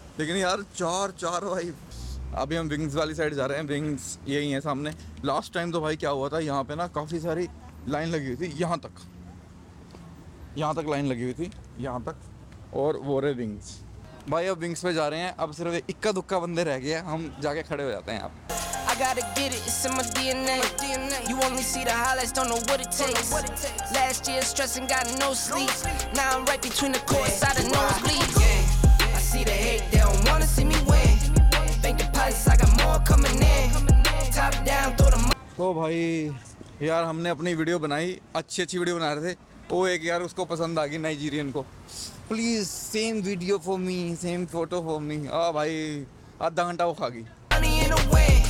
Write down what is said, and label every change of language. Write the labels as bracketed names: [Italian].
[Hindi] लेकिन यार चार चार भाई, अभी हम विंग्स वाली साइड जा रहे हैं, विंग्स यही है सामने। लास्ट टाइम तो भाई क्या हुआ था, यहाँ पे ना काफ़ी सारी लाइन लगी हुई थी, यहाँ तक लाइन लगी हुई थी यहाँ तक, और वो रहे विंग्स भाई। अब विंग्स पे जा रहे हैं, अब सिर्फ इक्का दुक्का बंदे रह गए हैं, हम जाके खड़े हो जाते हैं। [English] आप gotta get it, it's in my DNA. You only see the highlights, don't know what it takes. Last year stressing, got no sleep. Now I'm right between the courts, out of nosebleeds. Yeah, I see the hate, they don't wanna see me win. Bank deposits, I got more coming in. Top down, throw the money. [Hindi] Oh, bhai, यार हमने अपनी video बनाई, अच्छी अच्छी video बना रहे थे। वो एक यार उसको पसंद आ गई नाइजीरियन को, [English] please same video for me, [Hindi] same photo for मी। आ भाई आधा घंटा वो खा गई।